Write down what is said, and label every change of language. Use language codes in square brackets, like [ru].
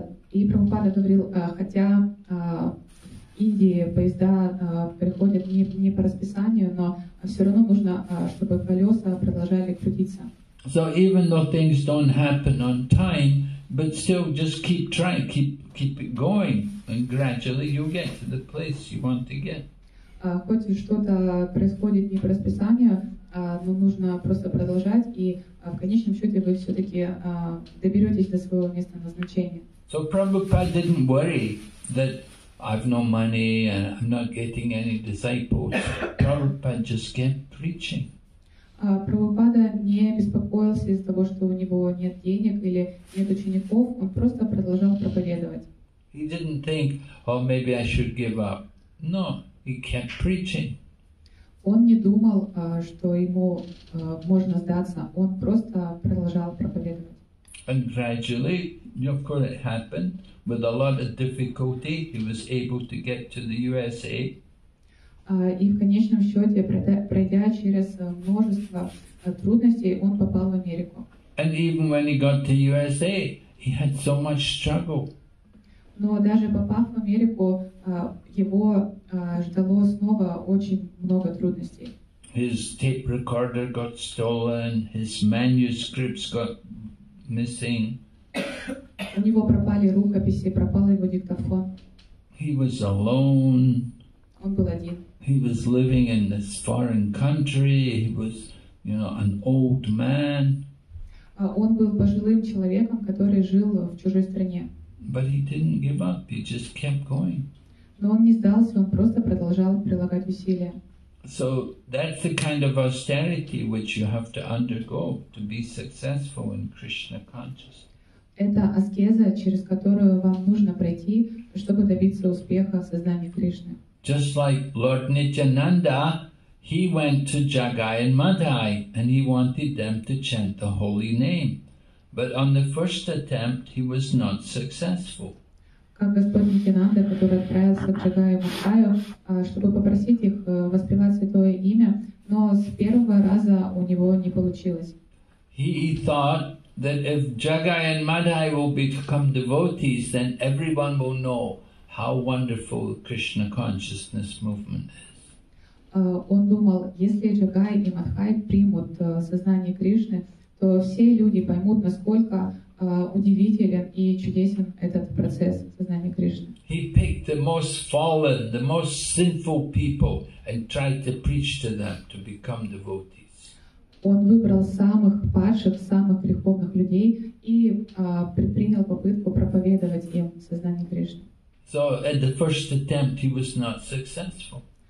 [ru] И Прабхупада говорил, хотя в Индии поезда приходят не по расписанию, но все равно нужно, чтобы колеса продолжали крутиться. [en] So even though things don't happen on time, but still just keep trying, keep it going, and gradually you'll get to the place you want to get. [ru] Хоть что-то происходит не по расписанию, но нужно просто продолжать, и в конечном счете вы все-таки доберетесь до своего места назначения. [en] So Prabhupada didn't worry that I've no money and I'm not getting any disciples. Prabhupada just kept preaching. [ru] Прабхупада не беспокоился из-за того, что у него нет денег или нет учеников, он просто продолжал проповедовать. [en] He didn't think, oh, maybe I should give up. No, he kept preaching. [ru] Он не думал, что ему можно сдаться, он просто продолжал проповедовать. [en] And gradually, of course, it happened. With a lot of difficulty, he was able to get to the USA. [ru] И в конечном счете, пройдя через множество трудностей, он попал в Америку. [en] And even when he got to USA, he had so much struggle. [ru] Но даже попав в Америку, его ждало снова очень много трудностей. [en] His tape recorder got stolen, his manuscripts got missing. [ru] У него пропали рукописи, пропал его диктофон. [en] He was alone. [ru] Он был один. [en] He was living in this foreign country. He was, you know, an old man. [ru] Он был пожилым человеком, который жил в чужой стране. [en] But he didn't give up. He just kept going. [ru] Но он не сдался, он просто продолжал прилагать усилия. [en] So that's the kind of austerity which you have to undergo to be successful in Krishna consciousness. [ru] Это аскеза, через которую вам нужно пройти, чтобы добиться успеха в сознании Кришны. [en] Just like Lord Nityananda, he went to Jagai and Madai, and he wanted them to chant the holy name. But on the first attempt, he was not successful. [ru] Как Господь Нитянанда, который отправился к Джагаю и Мадхаю, чтобы попросить их воспевать святое имя, но с первого раза у него не получилось. [en] He thought that if Jagai and Madai will become devotees, then everyone will know how wonderful Krishna consciousness movement is. [ru] Он думал, если Джагай и Мадхай примут сознание Кришны, то все люди поймут, насколько удивителен и чудесен этот процесс сознания Кришны. [en] He picked the most fallen, the most sinful people and tried to preach to them to become devotees. [ru] Он выбрал самых падших, самых греховных людей и предпринял попытку проповедовать им сознание Кришны. [en] So at the first attempt he was not successful.